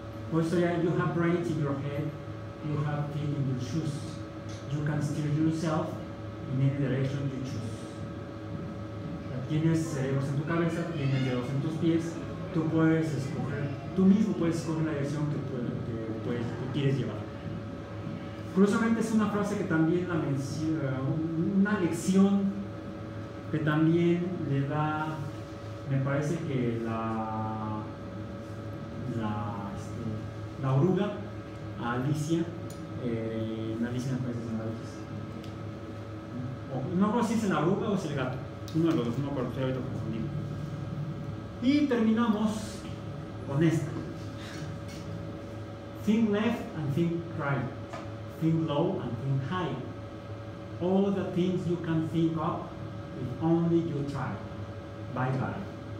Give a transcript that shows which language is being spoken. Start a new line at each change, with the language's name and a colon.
Spanish: Por eso ya,
English: you have brains in your head, you have feet in your shoes. You can steer yourself in any direction you choose.
Spanish: Ya tienes cerebros en tu cabeza, tienes dedos en tus pies, tú puedes escoger, tú mismo puedes escoger la dirección que quieres llevar. Curiosamente es una frase que también la menciona, una lección que también le da, me parece que la oruga a Alicia, en Alicia en el País de las Maravillas. No sé si es la oruga o es el gato, uno de los dos, no recuerdo, estoy ahorita confundido. Y terminamos con esta:
English: Think left and think right, think low and think high, all the things you can think of, if only you try. Bye bye.